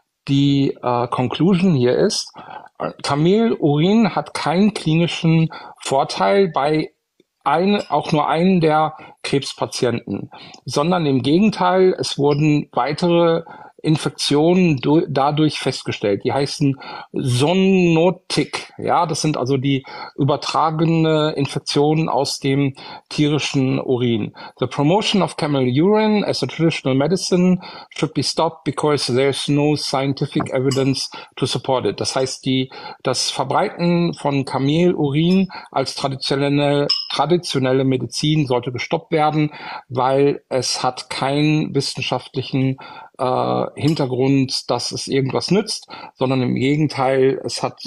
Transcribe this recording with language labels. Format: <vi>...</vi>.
<de>Die Conclusion hier ist, Kamelurin hat keinen klinischen Vorteil bei auch nur einen der Krebspatienten, sondern im Gegenteil, es wurden weitere Infektionen dadurch festgestellt. Die heißen Zoonotic. Ja, das sind also die übertragene Infektionen aus dem tierischen Urin.</de> <en>The promotion of camel urine as a traditional medicine should be stopped because there's no scientific evidence to support it.</en> <de>Das heißt, das Verbreiten von Kamelurin als traditionelle Medizin sollte gestoppt werden, weil es hat keinen wissenschaftlichen Hintergrund, dass es irgendwas nützt, sondern im Gegenteil, es hat</de>